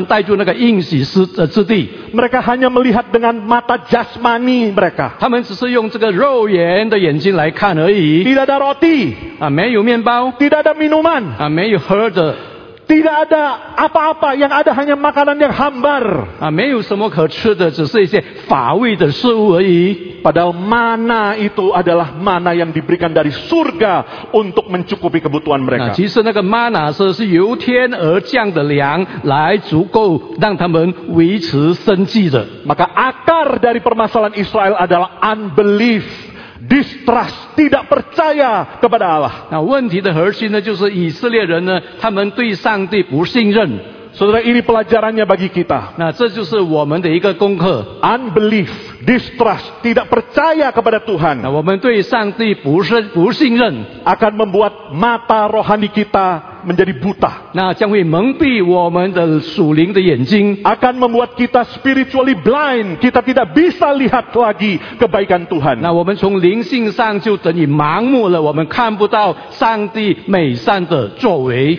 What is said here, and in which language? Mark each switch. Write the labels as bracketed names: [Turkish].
[Chinese] 他们没有这个眼睛来看这个信仰的眼睛来看上帝能够最终能够带入把他们带入那个应许之地。 [Indonesian] Mereka hanya melihat dengan mata jasmani mereka. [Chinese] 他们只是用这个肉眼的眼睛来看而已。 [Indonesian] Tidak ada roti. [Chinese] 没有面包。 [Indonesian] Tidak ada minuman. [Chinese] 没有喝的。 [Indonesian] Tidak ada apa-apa, yang ada hanya makanan yang hambar. [Chinese] 没有什么可吃的，只是一些乏味的食物而已。 [Indonesian] Padahal mana itu adalah mana yang diberikan dari surga untuk mencukupi kebutuhan mereka. [Chinese] 其实那个manna是由天而降的粮来足够让他们维持生计的。 [Indonesian] Maka akar dari permasalahan Israel adalah unbelief. Distrust, tidak percaya kepada Allah. [Chinese] Nah, 问题的核心呢，就是以色列人呢，他们对上帝不信任。 [Indonesian] Saudara, ini pelajarannya bagi kita. [Chinese] Nah, 这就是我们的一个功课. [Indonesian] Unbelief, distrust, tidak percaya kepada Tuhan. [Chinese] Nah, 我们对上帝不信任, [Indonesian] akan membuat mata rohani kita menjadi buta. [Chinese] Nah, 将会蒙蔽我们的属灵的眼睛. [Indonesian] Akan membuat kita [English] spiritually blind, [Indonesian] kita tidak bisa lihat lagi kebaikan Tuhan. [Chinese] Nah, 我们从灵性上就等于盲目了, 我们看不到上帝美善的作为.